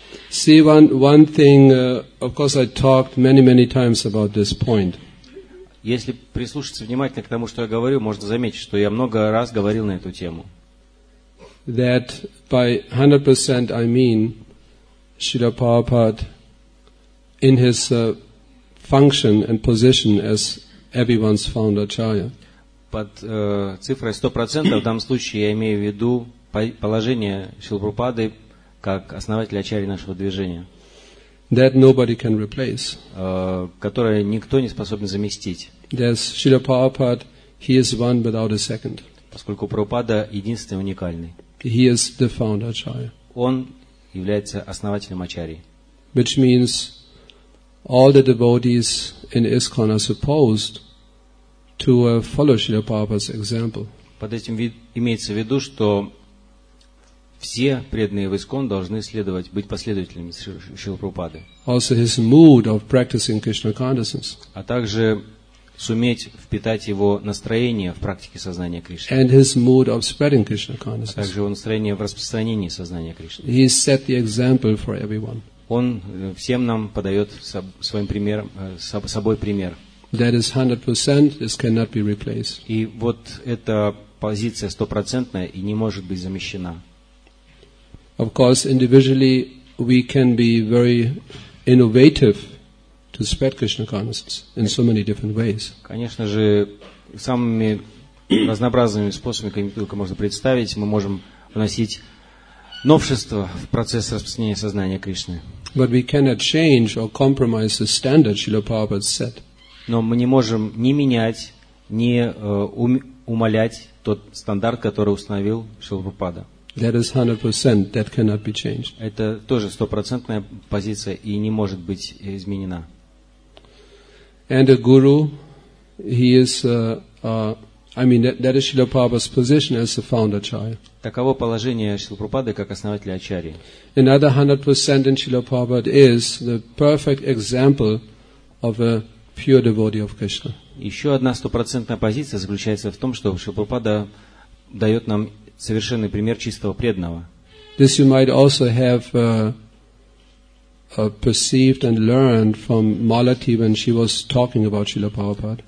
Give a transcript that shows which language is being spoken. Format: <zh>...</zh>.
<en>See, one thing, of course, I talked many times about this point.</en> <ru>Если прислушаться внимательно к тому, что я говорю, можно заметить, что я много раз говорил на эту тему.</ru> <en>That by 100% I mean Srila Prabhupada in his function and position as everyone's founder acharya.</en> <ru>Под цифрой 100% в данном случае я имею в виду положение Шрилы Прабхупады как основателя ачарьи нашего движения.</ru> <en>That nobody can replace.</en> <ru>Которое никто не способен заместить.</ru> <en>There's Srila Prabhupada, he is one without a second.</en> <ru>Поскольку Прабхупада единственный, уникальный.</ru> <en>He is the founder acharya.</en> <ru>Он является основателем ачарьи.</ru> <en>Which means all the devotees in ISKCON are supposed to follow Srila Prabhupada's example.</en> <ru>Под этим имеется в виду, что все преданные в ISKCON должны следовать, быть последователями Шрилы Прабхупады.</ru> <en>Also his mood of practicing Krishna consciousness.</en> <ru>А также суметь впитать его настроение в практике сознания Кришны.</ru> <en>And his mood of spreading Krishna consciousness.</en> <ru>А также его настроение в распространении сознания Кришны.</ru> <en>He set the example for everyone.</en> <ru>Он всем нам подает своим примером, собой пример.</ru> <en>That is 100%, this cannot be replaced.</en> <ru>И вот эта позиция стопроцентная и не может быть замещена.</ru> <en>Of course, individually we can be very innovative to spread Krishna consciousness in so many different ways.</en> <ru>Конечно же, самыми разнообразными способами, как только можно представить, мы можем вносить новшества в процесс распространения сознания Кришны.</ru> <en>But we cannot change or compromise the standard, Srila Prabhupada said.</en> <ru>Но мы не можем ни менять, ни умалять тот стандарт, который установил Шрила Прабхупада.</ru> <en>That is 100%. That cannot be changed.</en> <ru>Это тоже стопроцентная позиция и не может быть изменена.</ru> <en>And a guru, he is, that is Srila Prabhupada's position as the founder acharya.</en> <ru>Таково положение Шрила Прабхупады как основателя ачарьи.</ru> <en>Another 100% in Srila Prabhupada is the perfect example of a pure devotee of Krishna.</en> <ru>Еще одна стопроцентная позиция заключается в том, что Шрила Прабхупада дает нам совершенный пример чистого преданного.</ru> <en>This you might also have perceived and learned from Malati when she was talking about Srila Prabhupada.</en>